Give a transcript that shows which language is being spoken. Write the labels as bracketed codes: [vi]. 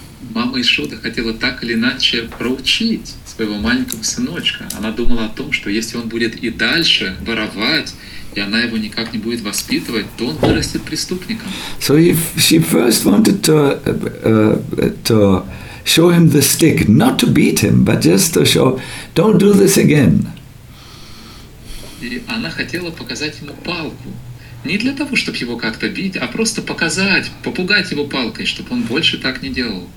[ru] Мама Ишода хотела так или иначе проучить своего маленького сыночка. Она думала о том, что если он будет и дальше воровать, и она его никак не будет воспитывать, то он вырастет преступником. [en] So if she first wanted to show him the stick, not to beat him, but just to show, don't do this again. [ru] И она хотела показать ему палку. Не для того, чтобы его как-то бить, а просто показать, попугать его палкой, чтобы он больше так не делал.